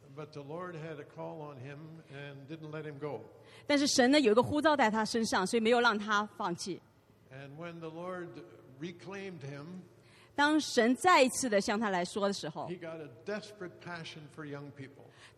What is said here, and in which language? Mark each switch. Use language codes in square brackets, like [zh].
[en] But the Lord had a call on him and didn't let him go. [zh] 但是神呢有一个呼召在他身上, 所以没有让他放弃。 [en] And when the Lord reclaimed him, [zh] 当神再一次的向他来说的时候, [en] he got a desperate passion for young people.